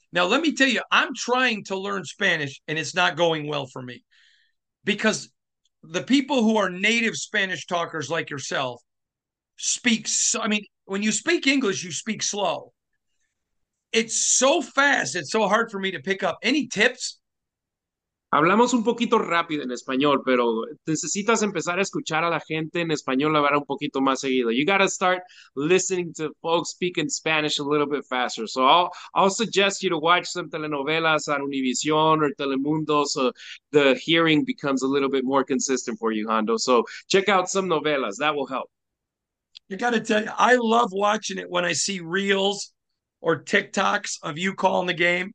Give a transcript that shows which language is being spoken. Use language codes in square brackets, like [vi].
[en] Now, let me tell you, I'm trying to learn Spanish, and it's not going well for me. Because the people who are native Spanish talkers like yourself speak so, I mean, when you speak English, you speak slow. It's so fast. It's so hard for me to pick up. Any tips? [es] Hablamos un poquito rápido en español, pero necesitas empezar a escuchar a la gente en español hablar un poquito más seguido. [en] You got to start listening to folks speak in Spanish a little bit faster. So I'll suggest you to watch some telenovelas on Univision or Telemundo so the hearing becomes a little bit more consistent for you, Hondo. So check out some novelas. That will help. You got to tell you, I love watching it when I see reels or TikToks of you calling the game.